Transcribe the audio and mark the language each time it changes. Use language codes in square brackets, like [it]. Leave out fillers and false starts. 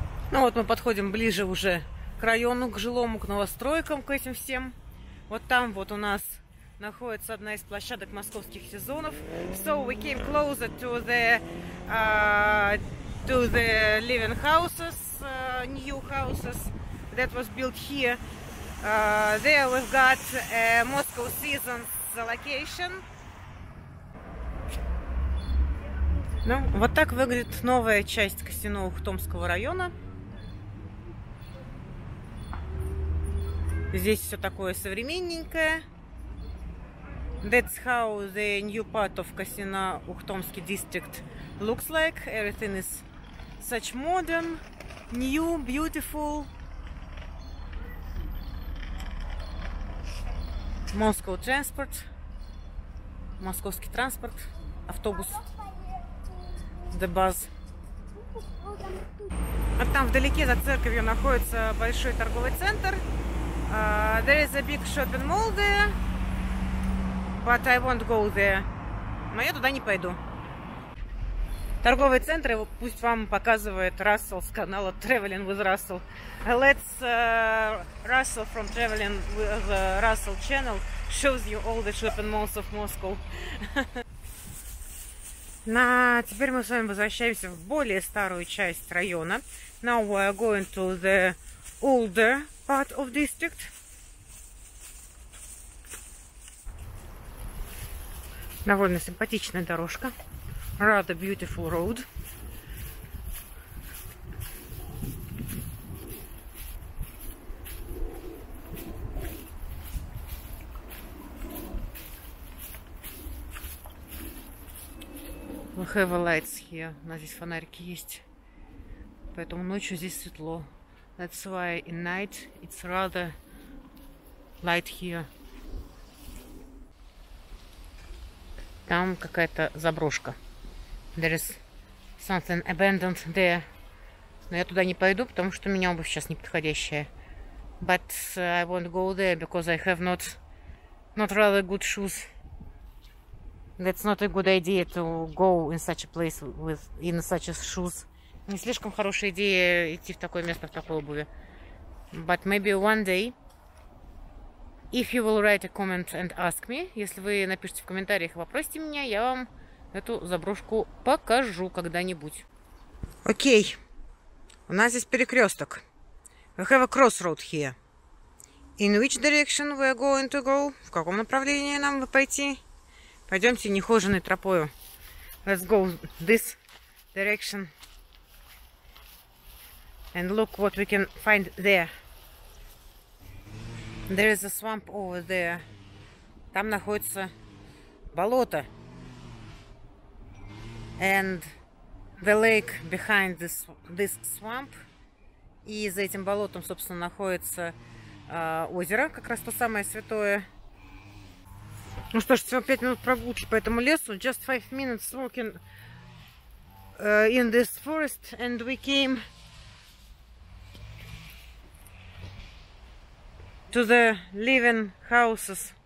[ru] Ну вот мы подходим ближе уже к району, к жилому, к новостройкам, к этим всем. Вот там вот у нас находится одна из площадок московских сезонов. [en] So we came closer to the living houses, new houses that was built here. There we've got a Moscow Seasons location. [ru] Ну, вот так выглядит новая часть Косино Ухтомского района. Здесь все такое современненькое. [en] That's how the new part of Косино Ухтомский district looks like. Everything is such modern, new, beautiful. Moscow Transport. [ru] Московский транспорт. Автобус. [en] The bus. [ru] Вот там вдалеке за церковью находится большой торговый центр. [en] There is a big shopping mall there, but I won't go there. [ru] Но я туда не пойду. Торговый центр, его пусть вам показывает Russell с канала Traveling with Russell. [en] Let's Russell from Traveling with Russell channel shows you all the shopping malls of Moscow. [ru] На теперь мы с вами возвращаемся в более старую часть района. [en] Now we are going to the older part of district. [ru] Довольно симпатичная дорожка. [en] Rather beautiful road. We have lights here. [ru] У нас здесь фонарики есть. Поэтому ночью здесь светло. [en] That's why in night it's rather light here. [ru] Там какая-то заброшка. [en] There is something abandoned there. [ru] Но я туда не пойду, потому что у меня обувь сейчас неподходящая. [en] But I won't go there because I have not rather good shoes. That's not a good idea to go in such a place with in such a shoes. [ru] Не слишком хорошая идея идти в такое место в такой обуви. [en] But maybe one day, if you will write a comment and ask me, [ru] если вы напишите в комментариях и попросите меня, я вам эту заброшку покажу когда-нибудь. Окей, у нас здесь перекресток. [en] We have a crossroad here. In which direction we are going to go? [ru] В каком направлении нам бы пойти? Пойдемте нехоженой тропою. [en] Let's go this direction. And look what we can find there. There is a swamp over there. [ru] Там находится болото. [en] And the lake behind this swamp. [ru] И за этим болотом, собственно, находится озеро, как раз то самое святое. Ну что ж, всего 5 минут прогулки по этому лесу. [en] Just 5 minutes walking in this forest and we came to the living houses.